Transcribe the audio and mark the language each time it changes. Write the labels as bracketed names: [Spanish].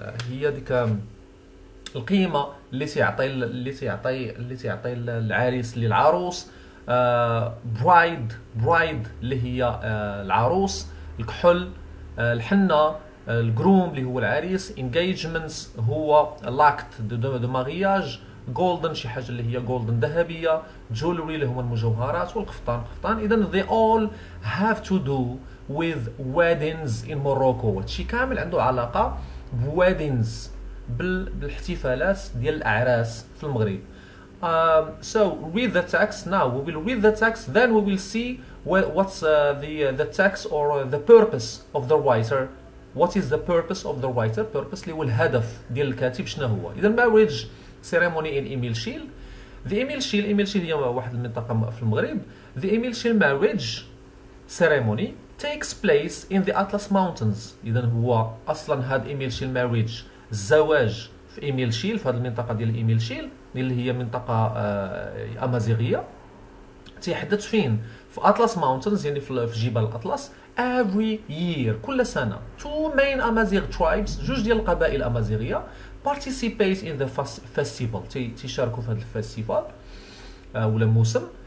[Arabic] ديك القيمة اللي تعطي العريس للعروس, برايد اللي هي العروس, الكحل, الحنة, الجروم اللي هو العريس, انجيجمنتس هو [French] لاكت دو مارياج, [Arabic] جولدن شي حاجه اللي هي جولدن ذهبيه, جولري اللي هما المجوهرات, والقفطان. [English] اذا they all have to do with weddings in Morocco. [Arabic] هادشي كامل عنده علاقه بweddings, بالاحتفالات ديال الاعراس في المغرب. [English] So read the text now, we will read the text, then we will see what's the text or the purpose of the writer. What is the purpose of the writer? [Arabic] Purpose اللي هو الهدف ديال الكاتب شنو هو. [English] اذا marriage ceremony in Emile Shiel. [Arabic] The Emile Shiel هي واحد المنطقة في المغرب. [English] The Emile Shiel marriage ceremony takes place in the Atlas Mountains. [Arabic] إذا هو أصلا هاد Emile Shiel marriage, الزواج في Emile Shiel, في هاد المنطقة ديال Emile Shiel اللي هي منطقة أمازيغية, تيحدث فين؟ في Atlas Mountains, يعني في جبال الأطلس. [English] Every year, [Arabic] كل سنة, [English] two main Amazigh tribes, [Arabic] جوج ديال القبائل الأمازيغية, [English] participate in the festival, [Arabic] تشاركوا في هذا الفستيفال ولا موسم.